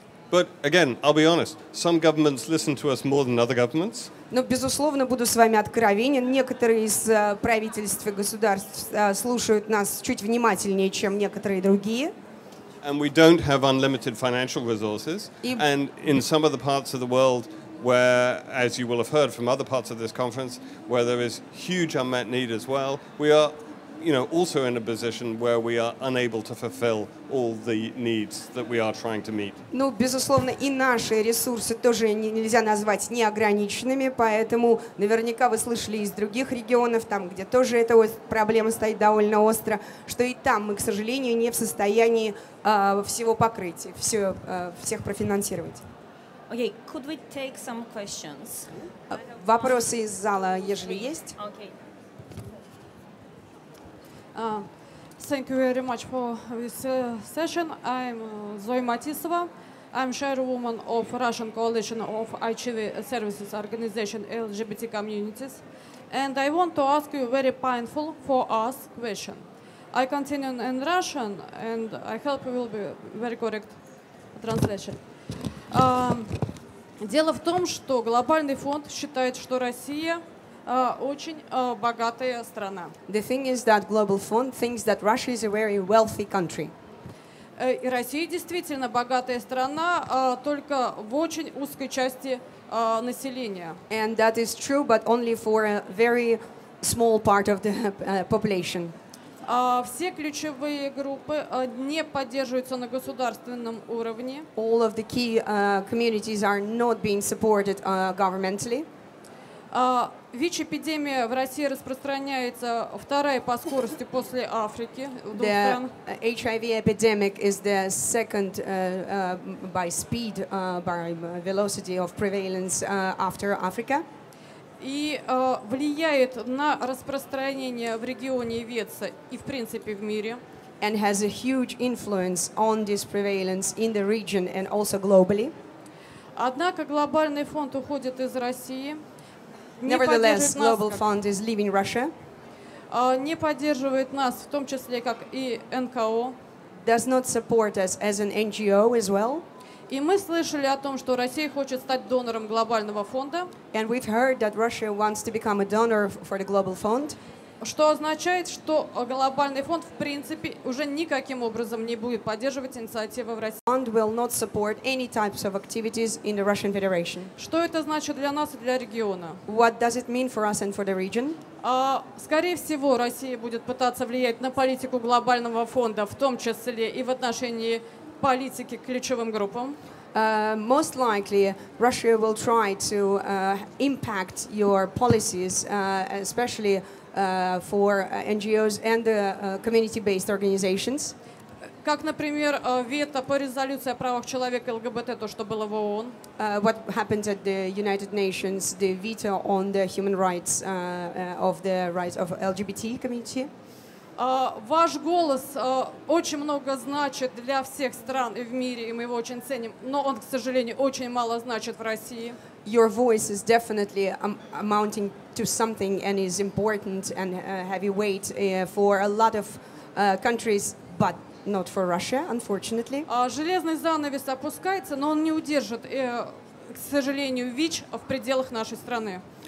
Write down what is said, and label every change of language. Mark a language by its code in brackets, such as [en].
[en] But again, I'll be honest. Some governments listen to us more than other governments. [ru] Но безусловно, буду с вами откровенен. Некоторые из правительств и государств слушают нас чуть внимательнее, чем некоторые другие. [en] And we don't have unlimited financial resources. And in some of the parts of the world where, as you will have heard from other parts of this conference, where there is huge unmet need as well, we are also in a position where we are unable to fulfill all the needs that we are trying to meet. [ru] Ну, безусловно, и наши ресурсы тоже нельзя назвать неограниченными, поэтому наверняка вы слышали из других регионов, там, где тоже эта проблема стоит довольно остро, что и там мы, к сожалению, не в состоянии всего покрыть, всех профинансировать. [en] Okay, could we take some questions? [ru] Вопросы из зала, ежели есть. [en] Okay. Thank you very much for this session. I'm Zoya Matisova. I'm chairwoman of Russian Coalition of HIV Services Organization LGBT Communities. And I want to ask you a very painful for us question. I continue in Russian, and I hope it will be very correct translation. [ru] Дело в том, что Глобальный фонд считает, что Россия очень богатая страна. [en] The thing is that Global Fund thinks that Russia is a very wealthy country. [ru] И Россия действительно богатая страна, только в очень узкой части населения. [en] And that is true, but only for a very small part of the population. [ru] Все ключевые группы не поддерживаются на государственном уровне. [en] All of the key communities are not being supported governmentally. [ru] ВИЧ-эпидемия в России распространяется вторая по скорости после Африки. [en] The HIV epidemic is the second by speed, by velocity of prevalence after Africa. [ru] И влияет на распространение в регионе ВИЦ и в принципе в мире. [en] And has a huge influence on this prevalence in the region and also globally. [ru] Однако Глобальный фонд уходит из России. [en] Nevertheless, Global Fund is leaving Russia. [ru] Не поддерживает нас, в том числе как и НКО. [en] Does not support us as an NGO as well. [ru] И мы слышали о том, что Россия хочет стать донором Глобального фонда. [en] And we've heard that Russia wants to become a donor for the Global Fund. [ru] Что означает, что глобальный фонд, в принципе, уже никаким образом не будет поддерживать инициативы в России. [en] Fund will not support any types of activities in the Russian Federation. [ru] Что это значит для нас и для региона? [en] What does it mean for us and for the region? [ru] Скорее всего, Россия будет пытаться влиять на политику глобального фонда, в том числе и в отношении политики к ключевым группам. [en] Most likely, Russia will try to impact your policies, especially for NGOs and the community-based organizations. [ru] Как, например, вето по резолюции о правах человека ЛГБТ, то, что было в ООН. [en] What happened at the United Nations, the veto on the human rights of the rights of LGBT community? [ru] Ваш голос очень много значит для всех стран в мире, и мы его очень ценим, но он, к сожалению, очень мало значит в России. [en] Your voice is definitely amounting to something and is important and heavy weight for a lot of countries, but not for Russia, unfortunately. [ru] Железный занавес опускается, но он не удержит, к сожалению, ВИЧ в пределах нашей страны.